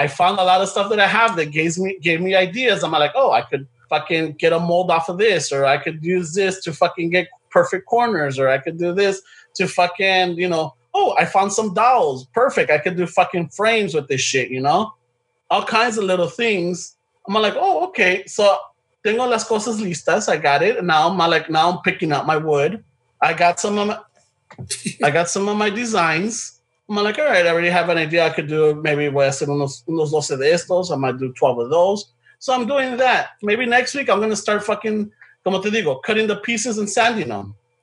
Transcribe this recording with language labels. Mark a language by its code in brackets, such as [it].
[en] I found a lot of stuff that I have that gave me ideas. I'm like, oh, I could fucking get a mold off of this, or I could use this to fucking get perfect corners, or I could do this to fucking, you know. Oh, I found some dowels. Perfect. I could do fucking frames with this shit, you know? All kinds of little things. I'm like, oh, okay. [es] So, tengo las cosas listas. [en] I got it. And now I'm picking up my wood. I got some of my, I got some of my designs. I'm like, all right, I already have an idea. I could do maybe, [es] voy a hacer unos 12 de estos. [en] I might do 12 of those. So, I'm doing that. Maybe next week, I'm going to start fucking, [es] como te digo, [en] cutting the pieces and sanding them.